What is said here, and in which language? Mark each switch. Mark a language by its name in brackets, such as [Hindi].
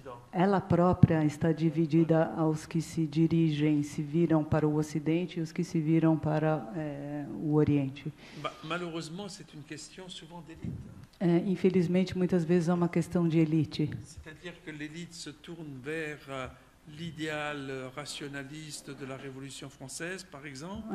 [Portuguese] Ela própria está dividida aos que se dirigem, se viram para o Ocidente e os que se viram para o Oriente. [French] Malheureusement, c'est une question souvent d'élite. [Portuguese] Infelizmente, muitas vezes é uma questão de elite. [French] C'est-à-dire que l'élite se tourne vers l'idéal rationaliste de la Révolution française, par exemple.